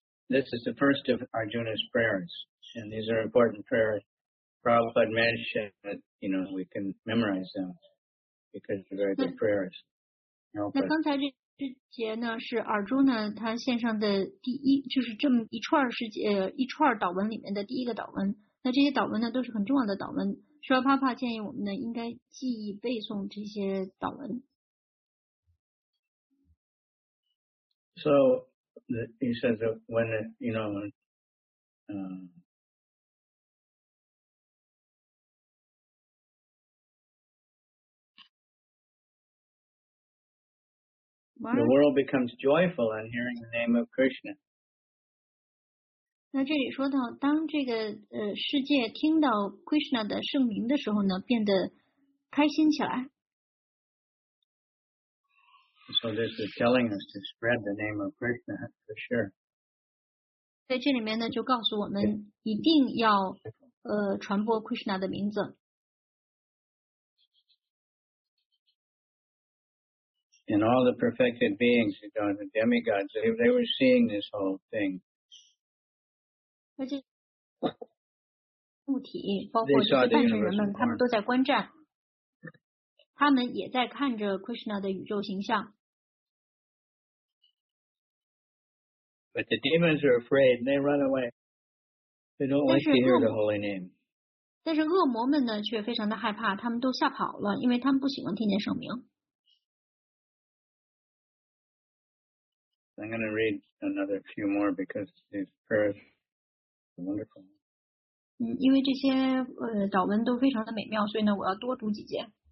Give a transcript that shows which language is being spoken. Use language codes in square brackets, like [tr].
[en] This is the first of Arjuna's prayers, and these are important prayers. Prabhupada mentioned that, you know, we can memorize them because they're very good prayers. [zh] 那刚才这节呢是 Arjuna 他献上的第一，就是这么一串是一串祷文里面的第一个祷文。那这些祷文呢都是很重要的祷文。舒拉帕帕建议我们呢应该记忆背诵这些祷文。 [en] So. He says that when, you know, the world becomes joyful on hearing the name of Krishna. [zh] 那这里说到，当这个世界听到 Krishna 的圣名的时候呢，变得开心起来。 [en] So this is telling us to spread the name of Krishna for sure. [zh] 在这里面呢，就告诉我们一定要传播 Krishna 的名字。 [en] And all the perfected beings, you know, the demigods, they were seeing this whole thing. [zh] 而且物体包括这些半神人们，他们都在观战，他们也在看着 Krishna 的宇宙形象。 [en] But the demons are afraid and they run away. They don't like to hear the holy name. [zh] 但是恶魔们呢却非常的害怕，他们都吓跑了，因为他们不喜欢听见圣名。 [en] I'm going to read another few more because these prayers are wonderful. [zh] 因为这些祷文都非常的美妙，所以呢我要多读几节。